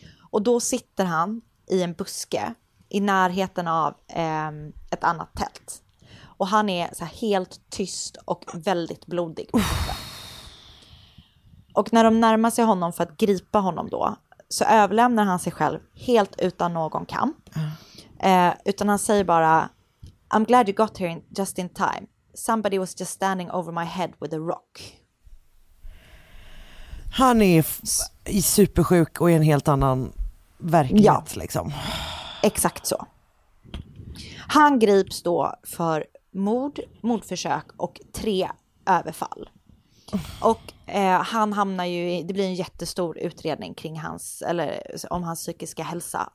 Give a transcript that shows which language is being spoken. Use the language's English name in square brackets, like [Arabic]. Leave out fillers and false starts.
[Swedish] Och då sitter han i en buske i närheten av ett annat tält. Och han är så här helt tyst och väldigt blodig. Och när de närmar sig honom för att gripa honom då så överlämnar han sig själv helt utan någon kamp. Utan han säger bara, [English] I'm glad you got here just in time. Somebody was just standing over my head with a rock. [Swedish] Han är supersjuk och i en helt annan verklighet. Ja, liksom. Exakt så. Han grips då för mordförsök och 3 överfall. Och han hamnar ju, det blir en jättestor utredning kring hans, eller om hans psykiska hälsa.